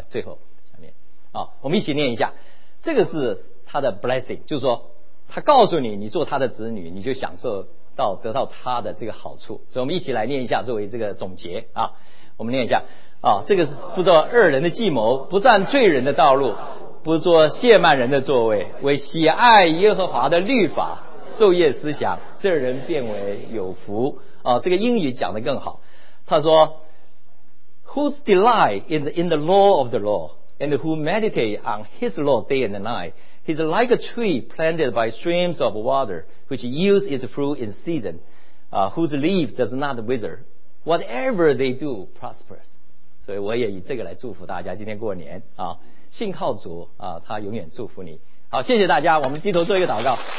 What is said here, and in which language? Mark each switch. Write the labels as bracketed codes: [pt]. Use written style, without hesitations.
[zh] 最后下面啊，我们一起念一下，这个是他的 blessing， 就是说他告诉你，你做他的子女，你就享受到得到他的这个好处。所以我们一起来念一下，作为这个总结啊，我们念一下啊。这个是不做恶人的计谋，不占罪人的道路，不做亵慢人的座位，为喜爱耶和华的律法昼夜思想，这人变为有福啊。这个英语讲得更好，他说 [en] Whose delight in the law of the law and who meditate on his law day and nightHe's like a tree planted by streams of water, which yields its fruit in season, whose leaf does not wither. Whatever they do prospers. [zh] 所以我也以这个来祝福大家今天过年啊，信靠主啊，他永远祝福你。好，谢谢大家，我们低头做一个祷告。